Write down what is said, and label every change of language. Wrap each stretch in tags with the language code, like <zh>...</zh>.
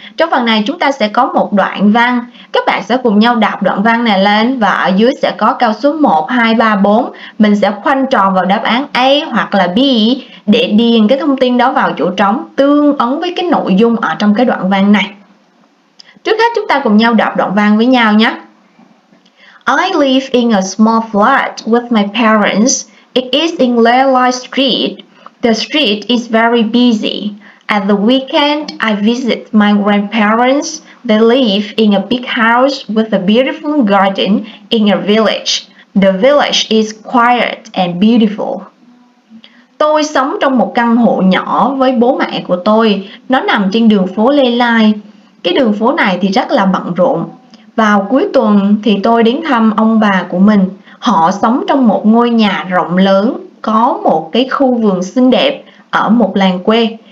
<vi>Trong phần này chúng ta sẽ có một đoạn văn. Các bạn sẽ cùng nhau đọc đoạn văn này lên và ở dưới sẽ có câu số 1, 2, 3, 4. Mình sẽ khoanh tròn vào đáp án A hoặc là B để điền cái thông tin đó vào chỗ trống tương ứng với cái nội dung ở trong cái đoạn văn này. Trước hết chúng ta cùng nhau đọc đoạn văn với nhau nhé.</vi> <en>I live in a small flat with my parents. It is in Lelai Street. The street is very busy. At the weekend, I visit my grandparents. They live in a big house with a beautiful garden in a village. The village is quiet and beautiful.</en> <vi>Tôi sống trong một căn hộ nhỏ với bố mẹ của tôi. Nó nằm trên đường phố Lê Lai. Cái đường phố này thì rất là bận rộn. Vào cuối tuần thì tôi đến thăm ông bà của mình. Họ sống trong một ngôi nhà rộng lớn. Có một cái khu vườn xinh đẹp ở một làng quê.</vi>